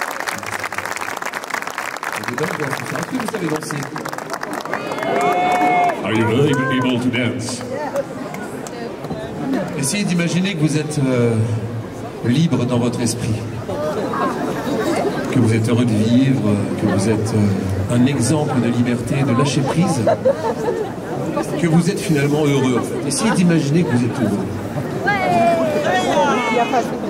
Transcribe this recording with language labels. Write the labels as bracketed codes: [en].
[fr] Est-ce que vous savez danser? [en] Are you really able to dance? [fr] Essayez d'imaginer que vous êtes libre dans votre esprit. Que vous êtes heureux de vivre, que vous êtes un exemple de liberté, de lâcher prise. Que vous êtes finalement heureux. Essayez d'imaginer que vous êtes heureux.